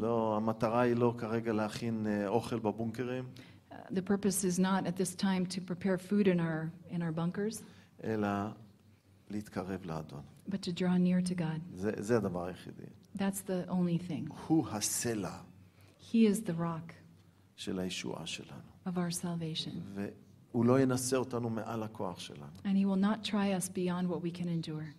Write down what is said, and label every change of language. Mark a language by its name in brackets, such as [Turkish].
[Hebrew] לא, המטרה היא לא כרגע להכין אוכל בבונקרים. [English] The purpose is not at this time to prepare food in our bunkers. [Hebrew] אלא להתקרב לאדון. [English] But to draw near to God. [Hebrew] זה הדבר היחידי. [English] That's the only thing. [Hebrew] הוא הסלע. [English] He is the rock. [Hebrew] של הישועה שלנו. [English] Of our salvation. [Hebrew] הוא לא ינסה אותנו מעל הכוח שלנו. [English] And he will not try us beyond what we can endure.